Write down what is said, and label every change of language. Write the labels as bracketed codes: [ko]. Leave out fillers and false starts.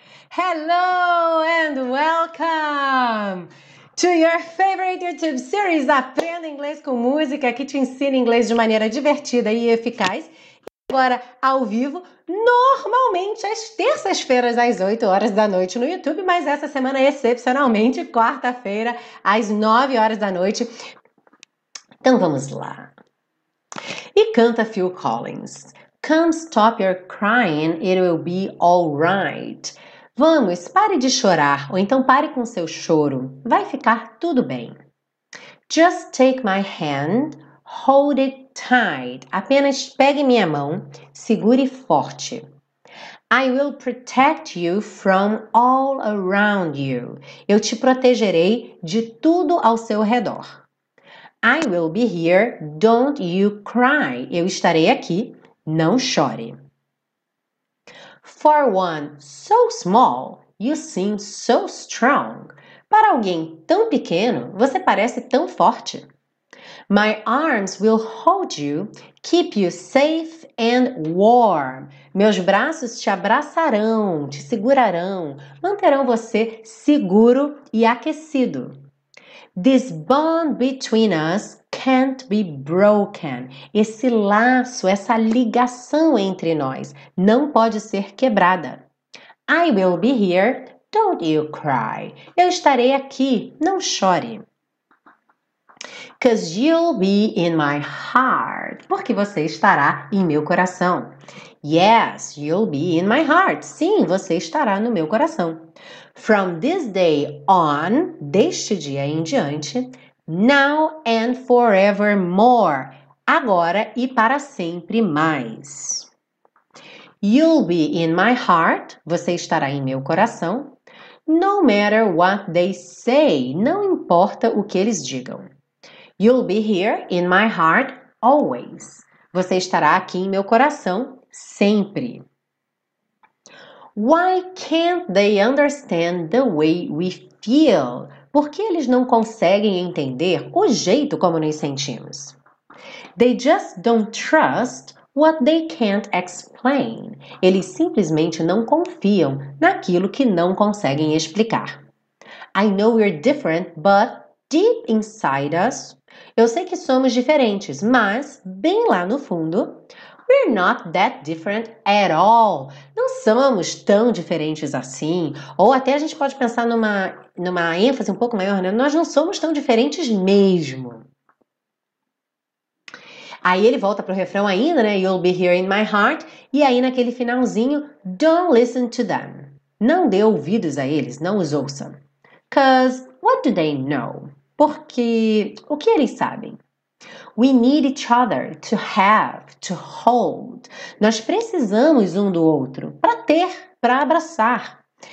[en] Hello and welcome to your favorite YouTube series [pt] Aprenda Inglês com Música, que te ensina inglês de maneira divertida e eficaz. Agora, ao vivo, normalmente às terças-feiras, às 8 horas da noite no YouTube, mas essa semana, excepcionalmente, quarta-feira, às 9 horas da noite. Então, vamos lá. E canta Phil Collins. [en] Come stop your crying, it will be alright. [pt] Vamos, pare de chorar, ou então pare com seu choro. Vai ficar tudo bem. [en] Just take my hand, hold it tight. [pt] Apenas pegue minha mão, segure forte. [en] I will protect you from all around you. [pt] Eu te protegerei de tudo ao seu redor. [en] I will be here, don't you cry. [pt] Eu estarei aqui, não chore. [en] For one so small, you seem so strong. [pt] Para alguém tão pequeno, você parece tão forte. [en] My arms will hold you, keep you safe and warm. [pt] Meus braços te abraçarão, te segurarão, manterão você seguro e aquecido. [en] This bond between us can't be broken. [pt] Esse laço, essa ligação entre nós, não pode ser quebrada. [en] I will be here, don't you cry. [pt] Eu estarei aqui, não chore. [en] 'Cause you'll be in my heart. [pt] Porque você estará em meu coração. [en] Yes, you'll be in my heart. [pt] Sim, você estará no meu coração. [en] From this day on, [pt] deste dia em diante, [en] now and forevermore, [pt] agora e para sempre mais. [en] You'll be in my heart, [pt] você estará em meu coração, [en] no matter what they say, [pt] não importa o que eles digam. [en] You'll be here in my heart always, [pt] você estará aqui em meu coração sempre. [en] Why can't they understand the way we feel? [pt] Por que eles não conseguem entender o jeito como nos sentimos? [en] They just don't trust what they can't explain. [pt] Eles simplesmente não confiam naquilo que não conseguem explicar. [en] I know we're different, but deep inside us, [pt] eu sei que somos diferentes, mas bem lá no fundo, [en] we're not that different at all. [pt] Não somos tão diferentes assim. Ou até a gente pode pensar numa ênfase um pouco maior, né? Nós não somos tão diferentes mesmo. Aí ele volta pro refrão ainda, né? [en] You'll be here in my heart. [pt] E aí naquele finalzinho, [en] don't listen to them. [pt] Não dê ouvidos a eles, não os ouça. [en] 'Cause what do they know? [pt] Porque o que eles sabem? [en] We need each other to have, to hold. [pt] Nós precisamos um do outro para ter, para abraçar.